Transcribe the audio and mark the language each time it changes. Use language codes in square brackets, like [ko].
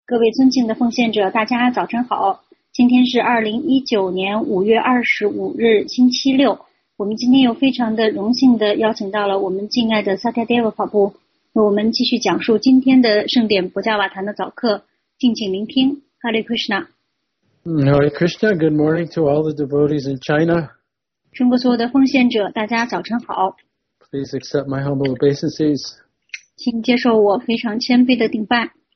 [zh] 各位尊敬的奉献者，大家早晨好。今天是2019年5月25日，星期六。我们今天又非常的荣幸的邀请到了我们敬爱的萨迦迪瓦法布，我们继续讲述今天的圣典不加瓦坛的早课，敬请聆听。哈利·克什纳。 [en] Hare Krishna, good morning to all the devotees in China. [zh] 中国所有的奉献者，大家早晨好。 [en] Please accept my humble obeisances. [zh] 请接受我非常谦卑的顶拜。